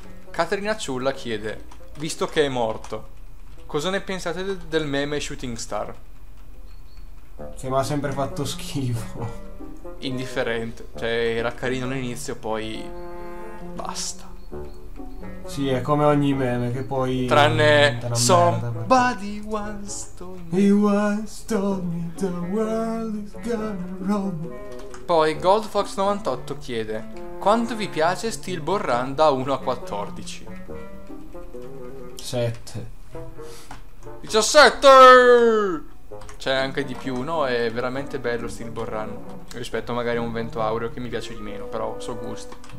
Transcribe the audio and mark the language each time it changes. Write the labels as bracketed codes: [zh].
[it] Caterina Ciulla chiede: visto che è morto, cosa ne pensate del meme Shooting Star? Che mi ha sempre fatto schifo. Indifferente, cioè era carino all'inizio, poi basta. Sì, è come ogni meme che poi tranne [en] somebody once told me, he once told me the world is gonna roll. [it] Poi GoldFox98 chiede: quanto vi piace Steelball Run da 1 a 14? 7. 17! C'è anche di più, no? È veramente bello Steelball Run. Rispetto magari a un Vento Aureo che mi piace di meno, però so gusti.